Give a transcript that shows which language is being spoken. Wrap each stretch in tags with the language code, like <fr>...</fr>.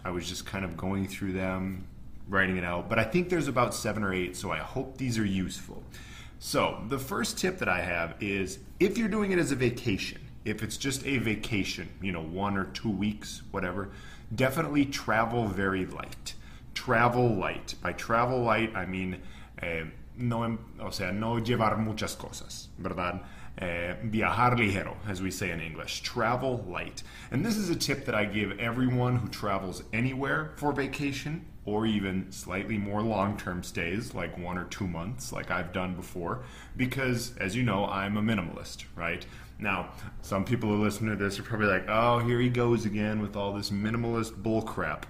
<en>I was just kind of going through them, writing it out. But I think there's about seven or eight, so I hope these are useful. So the first tip that I have is, if you're doing it as a vacation, if it's just a vacation, you know, 1 or 2 weeks, whatever, definitely travel very light. Travel light. By travel light, I mean,</en> <es>no llevar muchas cosas, ¿verdad? Viajar ligero,</es> <en>as we say in English. Travel light. And this is a tip that I give everyone who travels anywhere for vacation or even slightly more long-term stays, like 1 or 2 months, like I've done before, because, as you know, I'm a minimalist, right? Now, some people who listen to this are probably like, oh, here he goes again with all this minimalist bullcrap.</en>